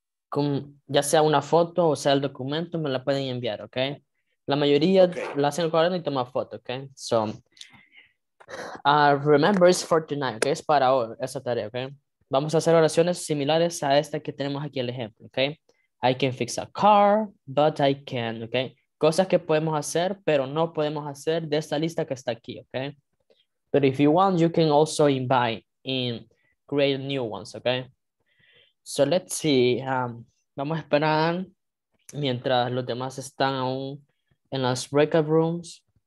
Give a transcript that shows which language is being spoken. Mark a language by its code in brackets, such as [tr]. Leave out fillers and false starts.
[es] Con, ya sea una foto o sea el documento, me la pueden enviar, ¿ok? La mayoría okay. la hacen en el cuaderno y toma foto, ¿ok? [en] So... remember it's for tonight, [es] okay? Es para hoy, esa tarea, okay? Vamos a hacer oraciones similares a esta que tenemos aquí el ejemplo, okay? [en] I can fix a car, but I can't, okay? [es] Cosas que podemos hacer, pero no podemos hacer de esta lista que está aquí, okay? [en] But if you want, you can also invite in create new ones, okay? So let's see, [es] vamos a esperar mientras los demás están aún en las breakout rooms.